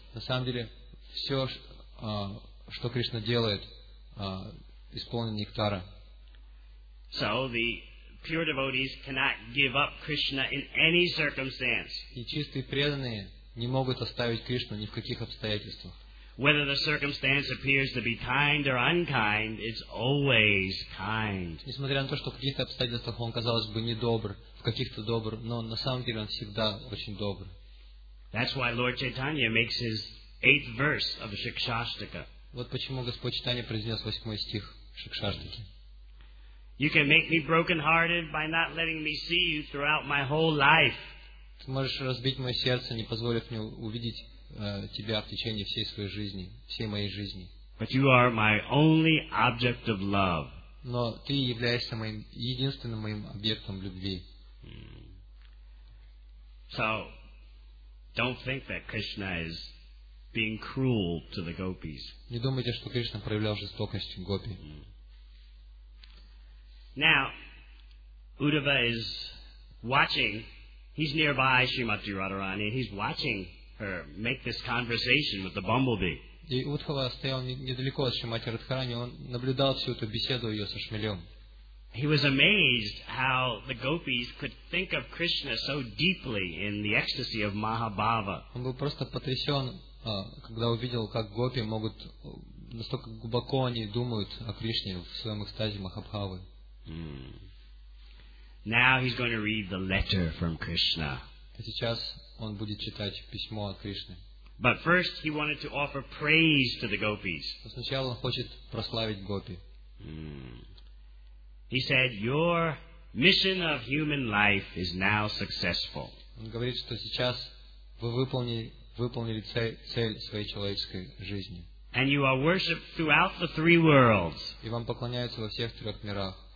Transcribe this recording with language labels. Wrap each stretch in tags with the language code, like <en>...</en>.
<ru>На самом деле, все, что Кришна делает, исполнено нектара.</ru> <en>So the pure devotees cannot give up Krishna in any circumstance.</en> <ru>И чистые преданные не могут оставить Кришну ни в каких обстоятельствах.</ru> <en>Whether the circumstance appears to be kind or unkind, it's always kind.</en> <ru>Несмотря на то, что в каких-то обстоятельствах он, казалось бы, недобр, в каких-то добр, но на самом деле он всегда очень добр.</ru> <en>That's why Lord Chaitanya makes his eighth verse of Shikshashtaka.</en> <ru>Вот почему Господь Чайтанья произнес восьмой стих Шикшаштаки.</ru> <en>You can make me broken-hearted by not letting me see you throughout my whole life.</en> <ru>Ты можешь разбить мое сердце, не позволив мне увидеть тебя в течение всей своей жизни, всей моей жизни.</ru> <en>But you are my only object of love.</en> <ru>Но ты являешься моим единственным моим объектом любви.</ru> <en>So, don't think that Krishna is being cruel to the gopis.</en> <ru>Не думайте, что Кришна проявлял жестокость к гопи.</ru> <en>Now, Uddhava is watching. He's nearby Shrimati Radharani and he's watching her make this conversation with the bumblebee.</en> <ru>И Удхава стоял недалеко от Шримати Радхарани, он наблюдал всю эту беседу ее со шмелем.</ru> <en>He was amazed how the gopis could think of Krishna so deeply in the ecstasy of Mahabhava.</en> <ru>Он был просто потрясен, когда увидел, как гопи могут настолько глубоко они думают о Кришне в своем экстазе Махабхавы.</ru> <en>Now he's going to read the letter from Krishna.</en> <ru>Сейчас он будет читать письмо от Кришны.</ru> <en>But first he wanted to offer praise to the gopis.</en> <ru>Сначала он хочет прославить гопи.</ru> <en>He said, "Your mission of human life is now successful."</en> <ru>Он говорит, что сейчас вы выполнили цель своей человеческой жизни.</ru> <en>And you are worshipped throughout the three worlds.</en> <ru>И вам поклоняются во всех трех мирах.</ru>